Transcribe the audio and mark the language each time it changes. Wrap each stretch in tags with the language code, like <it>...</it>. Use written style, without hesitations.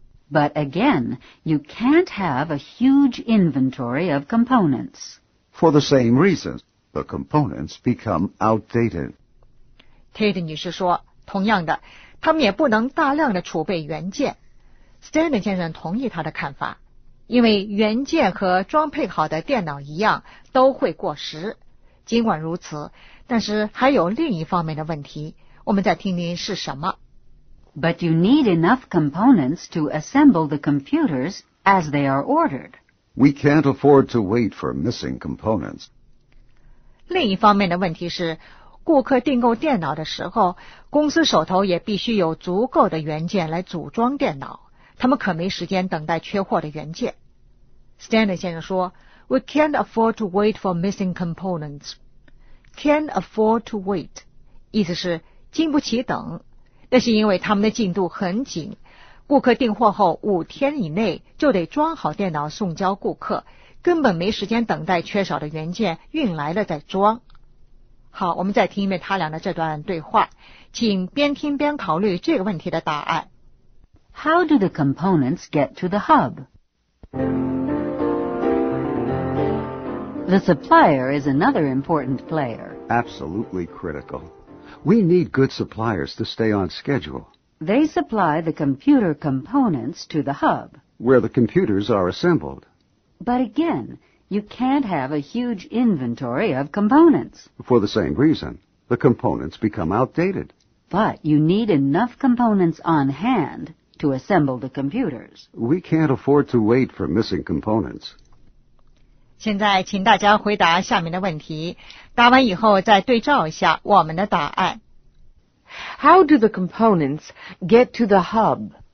<en>But again, you can't have a huge inventory of components. For the same reason, the components become outdated.</en> <zh>Tate 女士说，同样的，他们也不能大量的储备原件。 Stanley 先生同意他的看法，因为原件和装配好的电脑一样都会过时。尽管如此，但是还有另一方面的问题，我们再听听是什么。 But you need enough components to assemble the computers as they are ordered. We can't afford to wait for missing components. 另一方面的问题是，顾客订购电脑的时候，公司手头也必须有足够的原件来组装电脑，他们可没时间等待缺货的原件。</zh> <en>Stanley</en> <zh>先生说</zh> <en>,We can't afford to wait for missing components. Can't afford to wait,</en> <zh>意思是经不起等。那是因为他们的进度很紧，顾客订货后五天以内就得装好电脑送交顾客，根本没时间等待缺少的原件运来了再装。好，我们再听一遍他俩的这段对话，请边听边考虑这个问题的答案。</zh> <en>How do the components get to the hub? The supplier is another important player. Absolutely critical. We need good suppliers to stay on schedule. They supply the computer components to the hub. Where the computers are assembled. But again, you can't have a huge inventory of components. For the same reason, the components become outdated. But you need enough components on hand to assemble the computers. We can't afford to wait for missing components.</en> <zh>现在请大家回答下面的问题，答完以后再对照一下我们的答案。</zh> <en>How do the components get to the hub?</en>